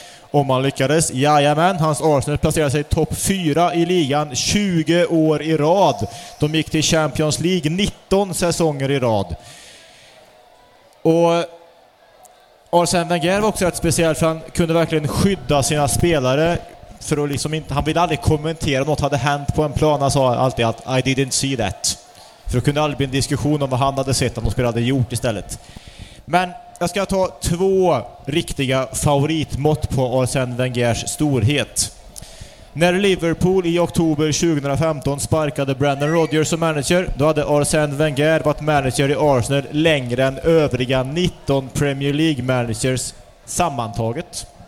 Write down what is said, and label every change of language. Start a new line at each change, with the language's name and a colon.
Swedish: Om man lyckades, jajamän, hans Arsenal placerade sig topp 4 i ligan 20 år i rad. De gick till Champions League 19 säsonger i rad. Och Arsène Wenger var också rätt speciell, för han kunde verkligen skydda sina spelare. För att liksom inte, han ville aldrig kommentera något hade hänt på en plan. Han sa alltid att
English: I didn't see that.
Swedish: För det kunde aldrig bli en diskussion om vad han hade sett, om de spelade gjort istället. Men jag ska ta 2 riktiga favoritmått på Arsène Wengers storhet. När Liverpool i oktober 2015 sparkade Brendan Rodgers som manager, då hade Arsène Wenger varit manager i Arsenal längre än övriga 19 Premier League managers sammantaget.